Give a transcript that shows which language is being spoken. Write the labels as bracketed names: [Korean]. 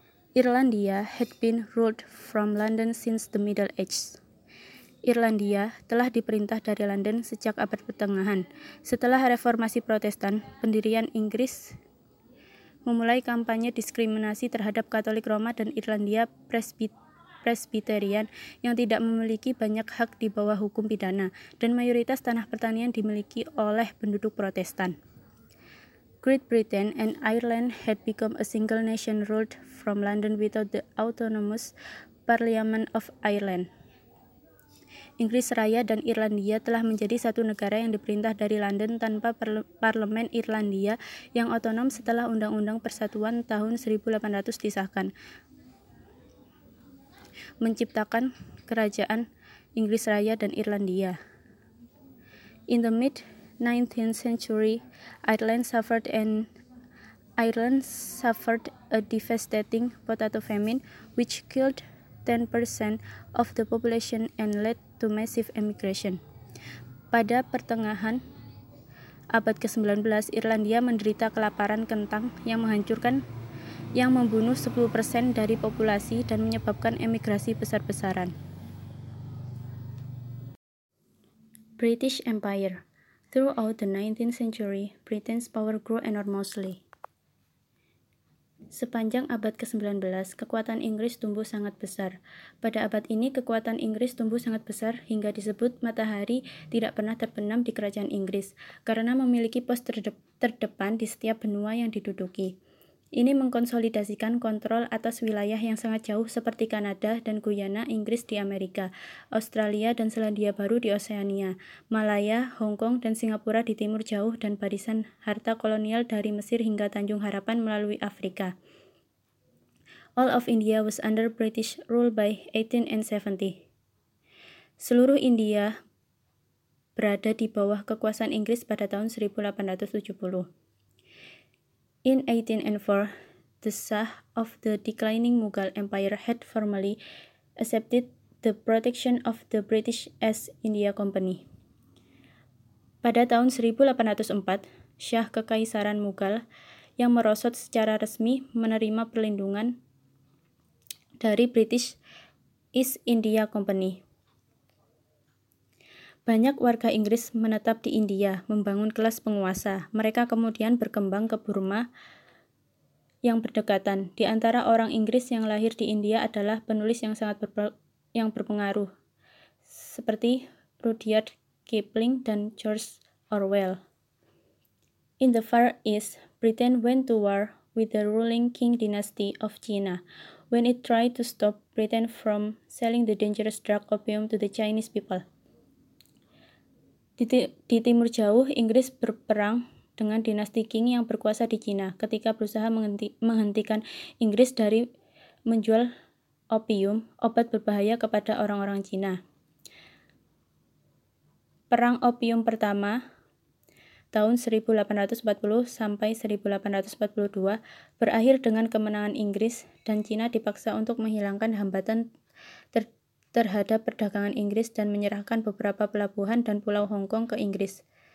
[English] Irlandia had been ruled from London since the Middle Ages. [Indonesian] Irlandia telah diperintah dari London sejak abad pertengahan. Setelah reformasi Protestan, pendirian Inggris memulai kampanye diskriminasi terhadap Katolik Roma dan Irlandia Presbyterian yang tidak memiliki banyak hak di bawah hukum pidana, dan mayoritas tanah pertanian dimiliki oleh penduduk Protestan. [English] Great Britain and Ireland had become a single nation ruled from London without the autonomous Parliament of Ireland. [Indonesian] Inggris Raya dan Irlandia telah menjadi satu negara yang diperintah dari London tanpa Parlemen Irlandia yang otonom setelah Undang-Undang Persatuan tahun 1800 disahkan, menciptakan Kerajaan Inggris Raya dan Irlandia. [English] In the mid 19th century, Ireland suffered an Ireland suffered a devastating potato famine, which killed 10% of the population and led to massive emigration. [Indonesian] Pada pertengahan abad ke-19, Irlandia menderita kelaparan kentang yang membunuh 10% dari populasi dan menyebabkan emigrasi besar-besaran. [English] British Empire. Throughout the 19th century, Britain's power grew enormously. [Indonesian] Sepanjang abad ke-19, kekuatan Inggris tumbuh sangat besar. Pada abad ini, kekuatan Inggris tumbuh sangat besar hingga disebut matahari tidak pernah terbenam di kerajaan Inggris karena memiliki pos terdepan di setiap benua yang diduduki. Ini mengkonsolidasikan kontrol atas wilayah yang sangat jauh seperti Kanada dan Guyana, Inggris di Amerika, Australia dan Selandia Baru di Oseania, Malaya, Hong Kong dan Singapura di Timur Jauh, dan barisan harta kolonial dari Mesir hingga Tanjung Harapan melalui Afrika. [English] All of India was under British rule by 1870. [Indonesian] Seluruh India berada di bawah kekuasaan Inggris pada tahun 1870. [English] In 1804, the Shah of the declining Mughal Empire had formally accepted the protection of the British East India Company. [Indonesian] Pada tahun 1804, Shah Kekaisaran Mughal yang merosot secara resmi menerima perlindungan dari British East India Company. Banyak warga Inggris menetap di India, membangun kelas penguasa. Mereka kemudian berkembang ke Burma yang berdekatan. Di antara orang Inggris yang lahir di India adalah penulis yang sangat yang berpengaruh, seperti Rudyard Kipling dan George Orwell. [English] In the Far East, Britain went to war with the ruling Qing dynasty of China when it tried to stop Britain from selling the dangerous drug opium to the Chinese people. [Indonesian] Di Timur Jauh, Inggris berperang dengan dinasti Qing yang berkuasa di China ketika berusaha menghentikan Inggris dari menjual opium, obat berbahaya, kepada orang-orang China. Perang opium pertama tahun 1840 sampai 1842 berakhir dengan kemenangan Inggris dan China dipaksa untuk menghilangkan hambatan terhadap perdagangan Inggris dan menyerahkan beberapa pelabuhan dan pulau Hong Kong ke Inggris.